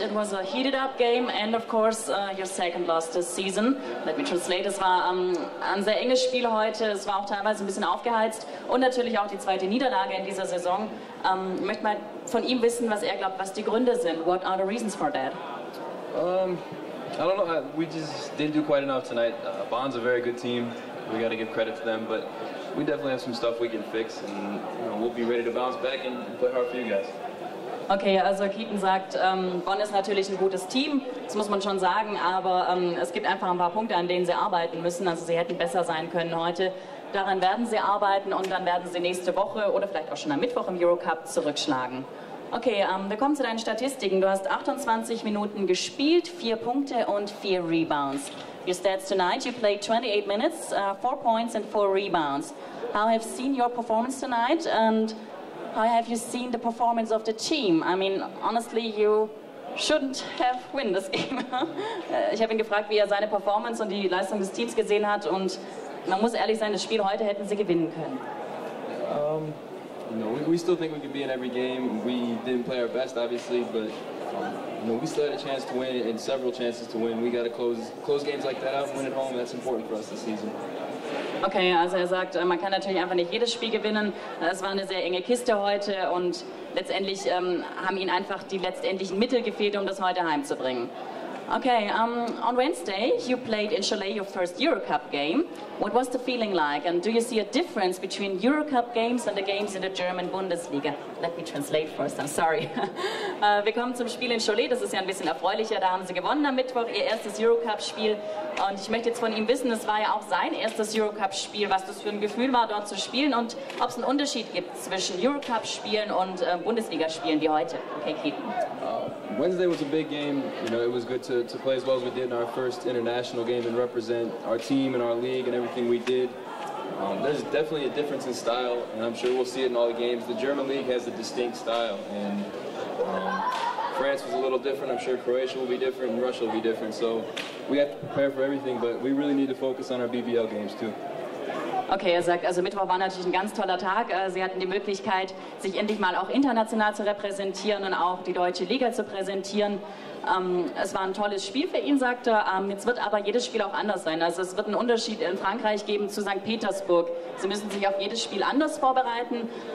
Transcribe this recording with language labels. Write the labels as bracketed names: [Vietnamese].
[English] It was a heated up game and, of course, your second loss this season. Let me translate. [German] Es war ein sehr enges Spiel heute. Es war auch teilweise ein bisschen aufgeheizt. Und natürlich auch die zweite Niederlage in dieser Saison. Ich möchte mal von ihm wissen, was er glaubt, was die Gründe sind. [English] What are the reasons for that? I don't know. We just didn't do quite enough tonight. Bonn's a very good team. We got to give credit to them, but we definitely have some stuff we can fix, and you know, we'll be ready to bounce back and play hard for you guys. [German] Okay, also Keaton sagt, Bonn ist natürlich ein gutes Team, das muss man schon sagen, aber es gibt einfach ein paar Punkte, an denen sie arbeiten müssen. Also sie hätten besser sein können heute. Daran werden sie arbeiten und dann werden sie nächste Woche oder vielleicht auch schon am Mittwoch im Eurocup zurückschlagen. Okay, wir kommen zu deinen Statistiken. Du hast 28 Minuten gespielt, 4 Punkte und 4 Rebounds. [English] Your stats tonight, you played 28 minutes, 4 points and 4 rebounds. How have you seen your performance tonight and how have you seen the performance of the team? I mean, honestly, you shouldn't have won this game. [German] Ich habe ihn gefragt, wie er seine Performance und die Leistung des Teams gesehen hat und man muss ehrlich sein, das Spiel heute hätten sie gewinnen können. [English] You know, we still think we could be in every game. We didn't play our best, obviously, but you know, we still had a chance to win and several chances to win. We got to close games like that out and win at home. That's important for us this season. [German] Okay, also er sagt, man kann natürlich einfach nicht jedes Spiel gewinnen. Es war eine sehr enge Kiste heute und letztendlich haben ihnen einfach die letztendlichen Mittel gefehlt, um das heute heimzubringen. [English] Okay, on Wednesday you played in Chalet your first Eurocup game. What was the feeling like and do you see a difference between Eurocup games and the games in the German Bundesliga? Let me translate first, I'm sorry. [German] Wir kommen zum Spiel in Chalet, das ist ja ein bisschen erfreulicher. Da haben sie gewonnen am Mittwoch, ihr erstes Eurocup-Spiel. Und ich möchte jetzt von ihm wissen, es war ja auch sein erstes Eurocup-Spiel, was das für ein Gefühl war, dort zu spielen und ob es einen Unterschied gibt zwischen Eurocup-Spielen und Bundesliga-Spielen wie heute. Okay, Keaton. [English] Wednesday was a big game. You know, it was good to play as well as we did in our first international game and represent our team and our league and everything we did. There's definitely a difference in style, and I'm sure we'll see it in all the games. The German league has a distinct style, and France was a little different. I'm sure Croatia will be different, and Russia will be different. So we have to prepare for everything, but we really need to focus on our BBL games too. [German] Okay, er sagt, also Mittwoch war natürlich ein ganz toller Tag. Sie hatten die Möglichkeit, sich endlich mal auch international zu repräsentieren und auch die deutsche Liga zu präsentieren. Es war ein tolles Spiel für ihn, sagt er. Jetzt wird aber jedes Spiel auch anders sein. Also es wird einen Unterschied in Frankreich geben zu St. Petersburg. Sie müssen sich auf jedes Spiel anders vorbereiten.